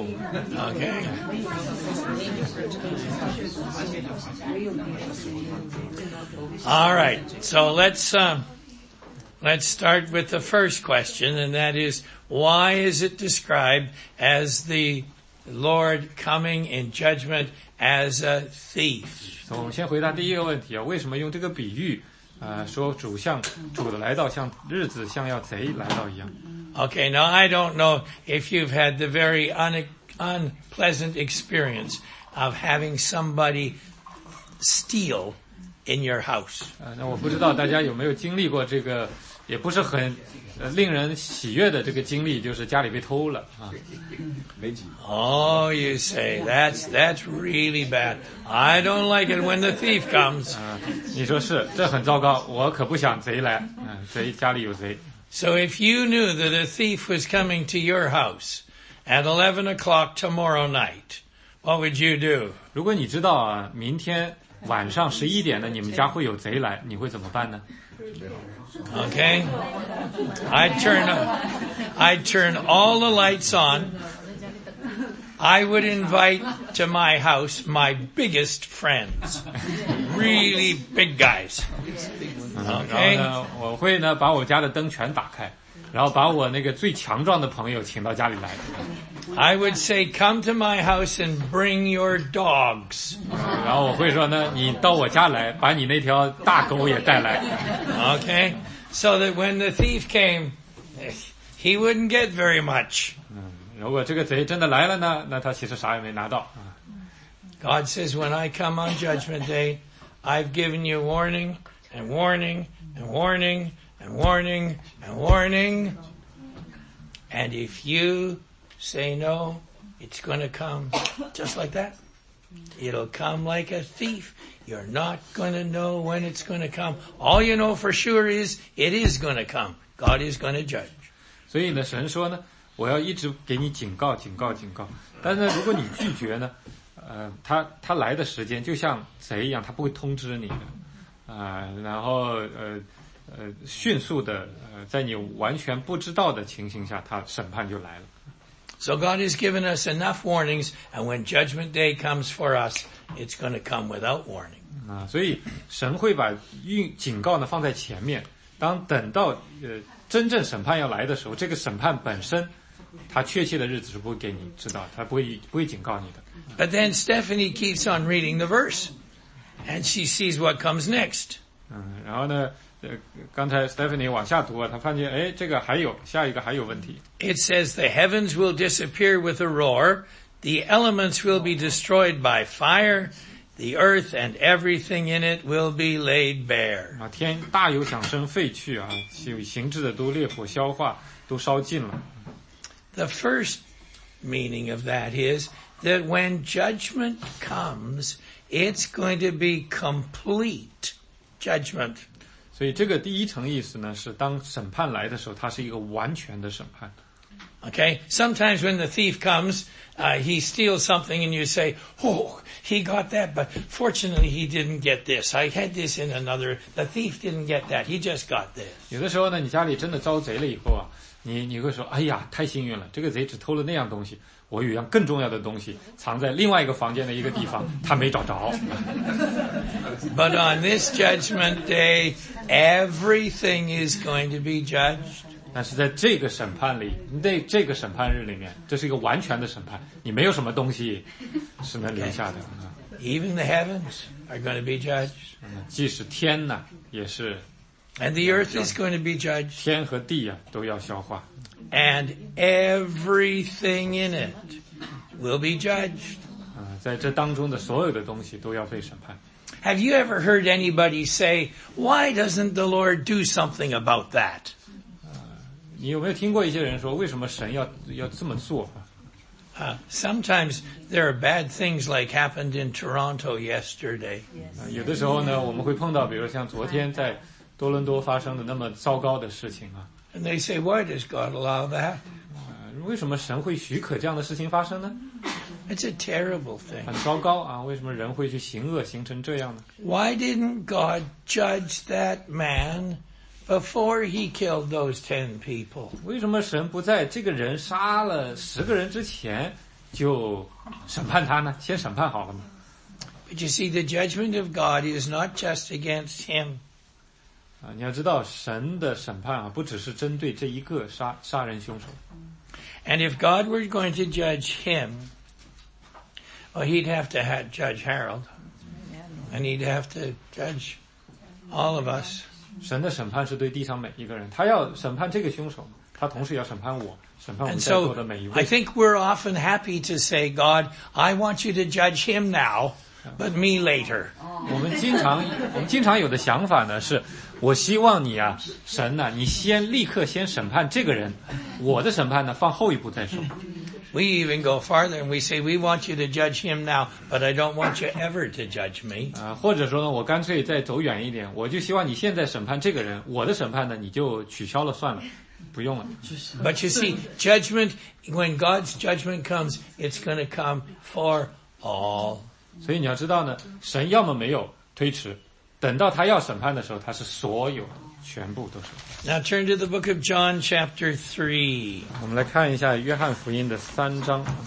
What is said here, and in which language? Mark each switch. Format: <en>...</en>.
<en>Okay. All right. So let's start with the first question, and that is, why is it described as the Lord coming in judgment as a thief? So</en> <zh>我们先回答第一个问题啊，为什么用这个比喻？说主像主的来到像日子像要贼来到一样。</zh> <en>Okay, now I don't know if you've had the very unpleasant experience of having somebody steal in your house.</en> <zh>那我不知道大家有没有经历过这个，也不是很令人喜悦的这个经历，就是家里被偷了啊。</zh> <en>Oh, you say that's really bad. I don't like it when the thief comes.</en> <zh>你说是，这很糟糕，我可不想贼来。贼家里有贼。</zh> <en>So if you knew that a thief was coming to your house at 11 o'clock tomorrow night, what would you do?</en> <zh>如果你知道啊，明天晚上11点呢，你们家会有贼来，你会怎么办呢？</zh> <en>Okay. I'd turn all the lights on. I would invite to my house my biggest friends. Really big guys. Okay.</en> <zh>然后呢，我会呢把我家的灯全打开，然后把我那个最强壮的朋友请到家里来。</zh> <en>I would say, come to my house and bring your dogs.</en> <zh>然后我会说呢，你到我家来，把你那条大狗也带来。</zh> <en>Okay, so that when the thief came, he wouldn't get very much.</en> <zh>如果这个贼真的来了呢，那他其实啥也没拿到。</zh> <en>God says, when I come on judgment day, I've given you warning and warning and warning and warning and warning. And if you say no, it's going to come just like that. It'll come like a thief. You're not going to know when it's going to come. All you know for sure is it is going to come. God is going to judge.</en> <zh>所以呢，神说呢，我要一直给你警告，警告，警告。但是如果你拒绝呢，他来的时间就像贼一样，他不会通知你的，然后迅速的在你完全不知道的情形下，他审判就来了。</zh> <en>So God has given us enough warnings, and when judgment day comes for us, it's going to come without warning.</en> <zh>所以神会把警告呢放在前面，当等到真正审判要来的时候，这个审判本身他确切的日子是不会给你知道，他不会警告你的。</zh> <en>But then Stephanie keeps on reading the verse, and she sees what comes next.</en> <zh>然后呢刚才 Stephanie 往下读啊，他发现哎，这个还有下一个还有问题。</zh> <en>It says the heavens will disappear with a roar, the elements will be destroyed by fire, the earth and everything in it will be laid bare.</en> <zh>啊，天大有响声，废去啊，形质的都烈火消化，都烧尽了。</zh> <en>The first meaning of that is that when judgment comes, it's going to be complete judgment.</en> <zh>所以这个第一层意思呢，是当审判来的时候，它是一个完全的审判。</zh> <en>Okay? Sometimes when the thief comes, he steals something and you say, oh, he got that, but fortunately he didn't get this. I had this in another, the thief didn't get that, he just got this.</en> <zh>有的时候呢，你家里真的遭贼了以后啊，你会说，哎呀，太幸运了，这个贼只偷了那样东西，我有一样更重要的东西藏在另外一个房间的一个地方，他没找着。</zh> <en>But on this judgment day, everything is going to be judged.</en> <zh>但是在这个审判里，在这个审判日里面，这是一个完全的审判，你没有什么东西是能留下的。</zh> <en>Okay. Even the heavens are going to be judged.</en> <zh>即使天呢，也是。</zh> <en>And the earth is going to be judged.</en> <zh>天和地啊，都要消化。</zh> <en>And everything in it will be judged.</en> <zh>在这当中的所有的东西都要被审判。</zh> <en>Have you ever heard anybody say, "Why doesn't the Lord do something about that?"</en> <zh>你有没有听过一些人说为什么神要这么做、</zh> <en>Sometimes there are bad things like happened in Toronto yesterday. Yes.</en> <zh>有的时候呢我们会碰到比如像昨天在多伦多发生的那么糟糕的事情、</zh> <en>And they say, why does God allow that?、</en> <zh>为什么神会许可这样的事情发生呢</zh> <en>It's a terrible thing.</en> <zh>很糟糕啊为什么人会去行恶形成这样呢</zh> <en>Why didn't God judge that man? Before he killed those 10 people.</en> <zh>为什么神不在这个人杀了十个人之前就审判他呢先审判好了吗</zh> <en>But you see, the judgment of God is not just against him.</en> <zh>你要知道神的审判啊不只是针对这一个杀人凶手。</zh> <en>And if God were going to judge him, well, he'd have to judge Harold. And he'd have to judge all of us.</en> <zh>神的审判是对地上每一个人，他要审判这个凶手，他同时要审判我，审判我们在座的每一位。</zh> <en>And so, I think we're often happy to say, God, I want you to judge him now, but me later.</en> <zh>我们经常有的想法呢是，我希望你啊，神呐、啊，你先立刻先审判这个人，我的审判呢放后一步再说。</zh> <en>We even go farther and we say, we want you to judge him now, but I don't want you ever to judge me.</en> <zh>或者说呢我干脆再走远一点我就希望你现在审判这个人我的审判呢你就取消了算了不用了。</zh> <en>But you see, judgment, when God's judgment comes, it's going to come for all.</en> <zh>所以你要知道呢神要么没有推迟等到他要审判的时候他是所有的。全部都是。</zh> <en>Now turn to the book of John chapter 3.</en> <zh>我们来看一下约翰福音的三章。</zh>